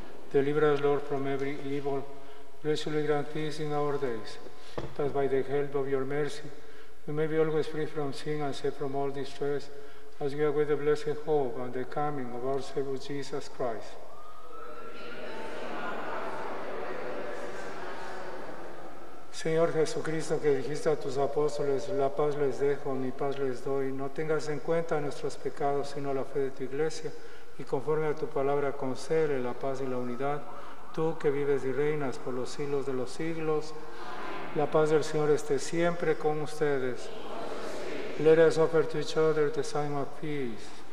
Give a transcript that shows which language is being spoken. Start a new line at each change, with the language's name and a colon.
English: Deliver us, Lord, from every evil. Graciously grant peace in our days, that by the help of your mercy, we may be always free from sin and safe from all distress, as we await the blessed hope and the coming of our Savior Jesus Christ.
Spanish: Señor Jesucristo, que dijiste a tus apóstoles, la paz les dejo, mi paz les doy, no tengas en cuenta nuestros pecados, sino la fe de tu iglesia, y conforme a tu palabra concede la paz y la unidad, tú que vives y reinas por los siglos de los siglos, la paz del Señor esté siempre con ustedes.
English: Let us offer to each other the sign of peace.